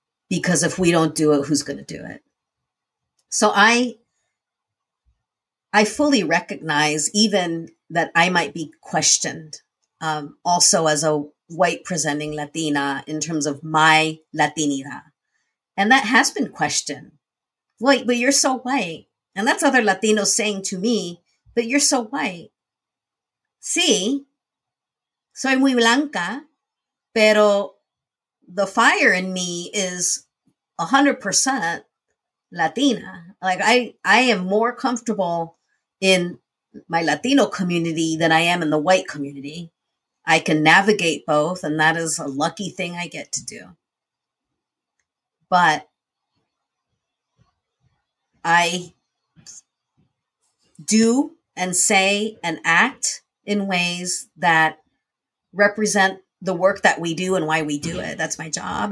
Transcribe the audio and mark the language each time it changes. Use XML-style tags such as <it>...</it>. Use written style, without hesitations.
<en>Because if we don't do it, who's going to do it? So I fully recognize even that I might be questioned also as a white presenting Latina in terms of my Latinidad. And that has been questioned. Wait, but you're so white. And that's other Latinos saying to me, but you're so white. See,</en> <es>soy muy blanca, pero</es> <en>the fire in me is 100% Latina. Like I am more comfortable in my Latino community than I am in the white community. I can navigate both, and that is a lucky thing I get to do. But I do and say and act in ways that represent the work that we do and why we do it. That's my job.</en>